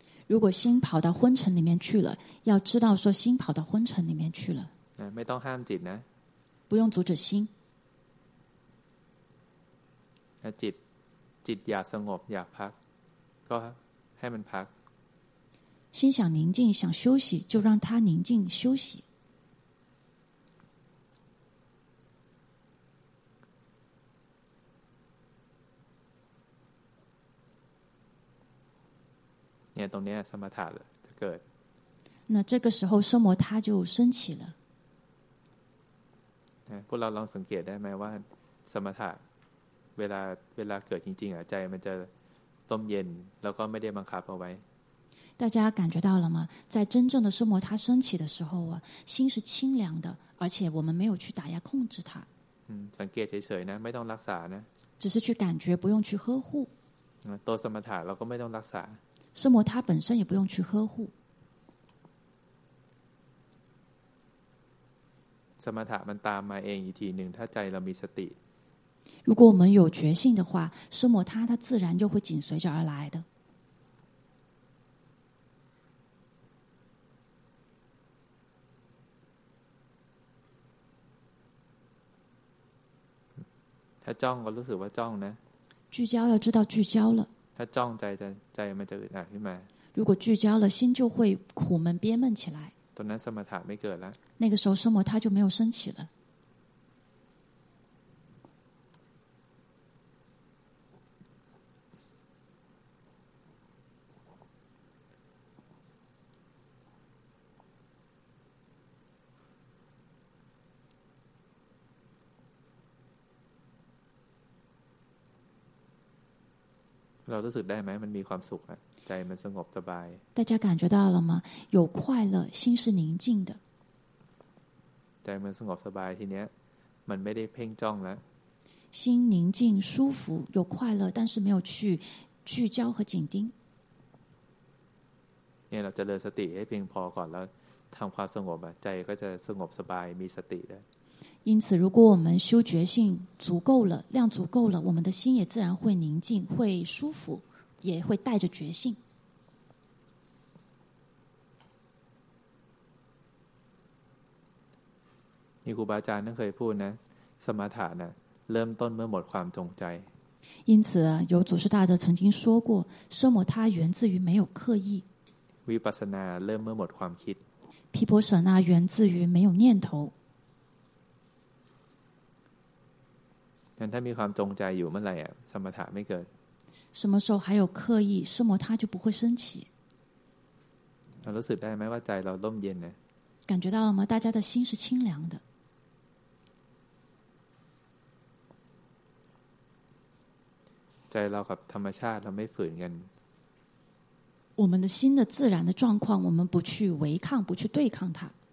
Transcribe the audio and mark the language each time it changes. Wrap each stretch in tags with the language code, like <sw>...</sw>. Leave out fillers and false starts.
<zh>如果心跑到昏沉里面去了要知道说心跑到昏沉里面去了</zh> <th>ไม่ต้องห้ามจิตนะ</th> <zh>不用阻止心</zh> <th>ถ้าจิตอยากสงบอยากพักก็ให้มันพัก</th> <zh>心想宁静想休息就让它宁静休息你看，</zh> <th>ตรงนี้สมถะเกิด。</th> <zh>那这个时候，奢摩他就升起了。</zh> <th>พวกเราลองสังเกตได้ไหมว่าสมถะเวลาเกิดจริงๆอ่ะใจมันจะต้มเย็นแล้วก็ไม่ได้บังคับเอาไว้</th> <zh>。 大家感觉到了吗？在真正的奢摩他升起的时候啊，心是清凉的，而且我们没有去打压控制它。</zh> <th>สังเกตเฉยๆนะไม่ต้องรักษานะ</th> <zh>只是去感觉不用去呵护</zh> <th>ตัวสมถะเราก็ไม่ต้องรักษา</th> <zh>สมถะ本身也不用去呵护</zh> <th>สมถะมันตามมาเองอีกทีหนึ่งถ้าใจเรามีสติ</th> <zh>如果我们有决心的话สมถะ它自然就会紧随着而来的</zh> <th>ถ้าจ้องก็รู้สึกว่าจ้องนะ</th> <zh>聚焦要知道聚焦了</zh> <th>ถ้าจ้องใจมันจะอึดอัดขึ้นมา</th> <zh>如果聚焦了心就会苦闷憋闷起来</zh> <th>ตอนนั้นสมถะไม่เกิดแล้ว</th> <zh>那个时候奢摩他就没有升起</zh> <th>เรารู้สึกได้ไหมมันมีความสุขอะใจมันสงบสบาย</th> <zh>大家感觉到了吗有快乐心是宁静的</zh> <th>ใจมันสงบสบายทีเนี้ยมันไม่ได้เพ่งจ้องแล้ว</th> <zh>心宁静舒服有快乐但是没有去聚焦和紧盯</zh> <th>เนี่ยเราจะเริ่มสติให้เพียงพอก่อนแล้วทำความสงบอะใจก็จะสงบสบายมีสติได้</th> <zh>因此如果我们修觉性足够了量足够了我们的心也自然会宁静会舒服也会带着觉性尼古巴扎那可以说呢什么塔呢</zh> <th>เริ่มต้นเมื่อหมดความจงใจ</th> <zh>因此有祖师大德曾经说过奢摩他源自于没有刻意</zh> <th>วิปัสสนาเริ่มเมื่อหมดความคิด</th> <zh>毗婆舍那源自于没有念头</zh> <th>ถ้ามีความจงใจอยู่เมื่อไหร่อ่ะสมถะไม่เกิด</th> <zh>什么时候还有刻意奢摩他就不会升起</zh> <th>เรารู้สึกได้ไหมว่าใจเราร่มเย็นนะ</th> <zh>感觉到了吗大家的心是清凉的</zh> <th>ใจเรากับธรรมชาติเราไม่ฝืนกัน</th> <zh>我们的心的自然的状况我们不去违抗不去对抗它</zh>